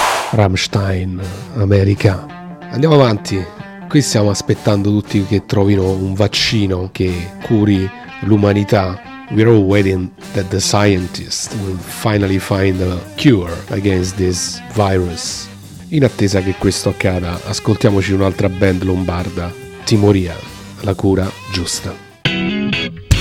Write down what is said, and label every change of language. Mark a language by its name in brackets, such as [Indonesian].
[Italian] Rammstein, America. Andiamo avanti. Qui stiamo aspettando tutti che trovino un vaccino che curi l'umanità [English] We're all waiting that the scientists will finally find a cure against this virus. [Italian] In attesa che questo accada, ascoltiamoci un'altra band lombarda, Timoria, La cura giusta.